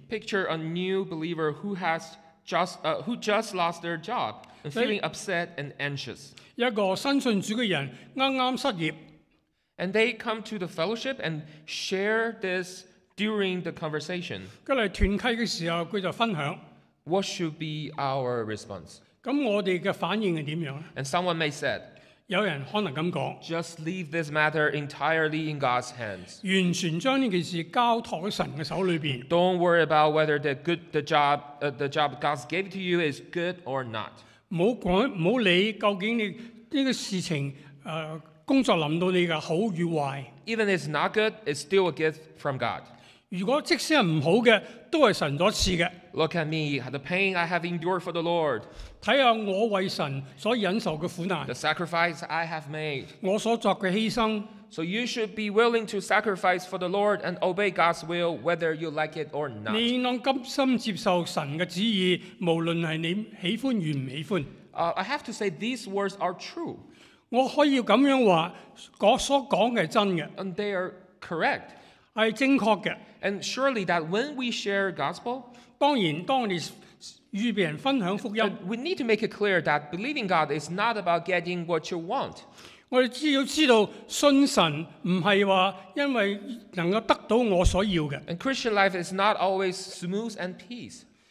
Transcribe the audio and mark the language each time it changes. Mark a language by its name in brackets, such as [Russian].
[English] Picture a new believer who has just, who just lost their job and feeling upset and anxious. [Chinese] 一個新信主的人剛剛失業. [English] And they come to the fellowship and share this during the conversation. [Chinese] 他來團契的時候,他就分享. [English] What should be our response? [Chinese] 那我們的反應是怎樣呢? [English] And someone may say, [Chinese] 有人可能這樣說, [English] just leave this matter entirely in God's hands. [Chinese] 完全將這件事交託在神的手裡面. [English] Don't worry about whether the job God gave to you is good or not. [Chinese] 不要理究竟這個事情, 工作臨到你的好與壞. [English] Even if it's not good, it's still a gift from God. [Chinese] 如果即使是不好的,都是神所賜的. [English] Look at me, the pain I have endured for the Lord. [Chinese] 看看我為神所忍受的苦難. [English] The sacrifice I have made. [Chinese] 我所作的犧牲. [English] So you should be willing to sacrifice for the Lord and obey God's will, whether you like it or not. [Chinese] 你應當甘心接受神的旨意, 無論是你喜歡與不喜歡. [English] I have to say these words are true. [Chinese] 我可以這樣說, 所說的是真的. [English] And they are correct. [Chinese] 是正確的. [English] And surely that when we share gospel, [Chinese] 當然當你與別人分享福音, [English] we need to make it clear that believing God is not about getting what you want. [Chinese] 我們只要知道信神不是因為能夠得到我所要的. [English] And Christian life is not always smooth and peace.